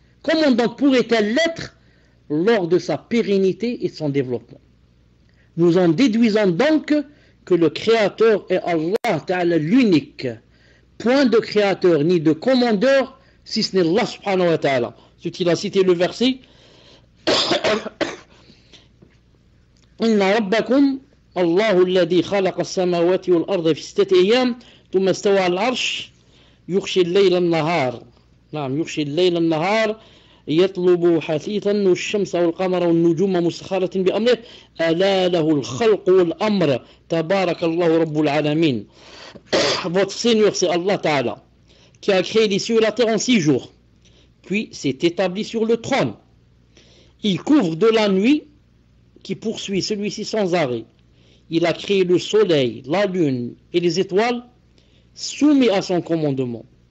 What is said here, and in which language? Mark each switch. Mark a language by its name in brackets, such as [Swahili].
[French] Comment donc pourrait-elle l'être lors de sa pérennité et de son développement? Nous en déduisons donc que le Créateur est Allah Ta'ala l'unique. Point de Créateur ni de Commandeur, si ce n'est Allah Subhanahu wa Ta'ala. Ce qu'il a cité le verset. [Arabic] إن ربكم الله الذي خلق السماوات والأرض في 6 أيام ثم استوى على العرش يغشي الليل النهار، نعم يغشي الليل النهار يطلب حثيثا والشمس والقمر والنجوم مسخرة بأمره ألا له الخلق والأمر تبارك الله رب العالمين. [French] Votre Seigneur, c'est Allah Ta'ala, qui a créé les cieux et la terre en 6 jours, puis s'est établi sur le trône. Il couvre de la nuit qui poursuit celui-ci sans arrêt. Il a créé le soleil, la lune et les étoiles soumis à son commandement.